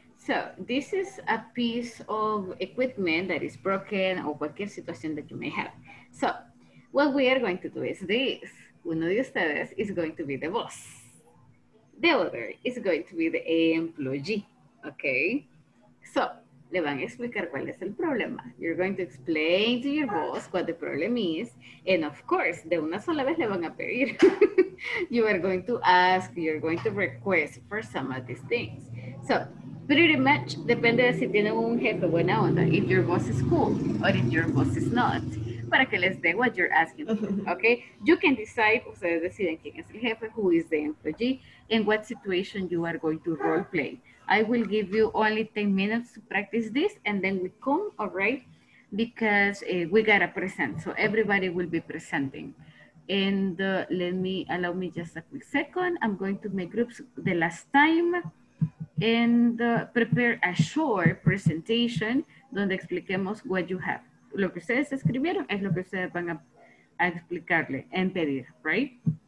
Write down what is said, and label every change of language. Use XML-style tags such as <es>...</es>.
<en>So this is a piece of equipment that is broken or</en> <es>cualquier situación</es> <en>that you may have. So what we are going to do is this.</en> <es>Uno de ustedes</es> <en>is going to be the boss. The other is going to be the employee, okay?</en> <es>So, le van a explicar cuál es el problema.</es> <en>You're going to explain to your boss what the problem is. And of course,</en> <es>de una sola vez le van a pedir.</es> <en>You are going to ask, you're going to request for some of these things. So, pretty much</en> <es>depende de si tiene un jefe buena onda,</es> <en>if your boss is cool or if your boss is not.</en> <es>Para que les dé</es> <en>what you're asking for, okay? You can decide,</en> <es>ustedes deciden quién es el jefe,</es> <en>who is the employee, in what situation you are going to role play. I will give you only 10 minutes to practice this and then we come, all right? Because we gotta present, so everybody will be presenting. And allow me just a quick second. I'm going to make groups the last time and prepare a short presentation</en> <es>donde expliquemos</es> <en>what you have.</en> <es>Lo que ustedes escribieron es lo que ustedes van a explicarle en pedir, right?</es>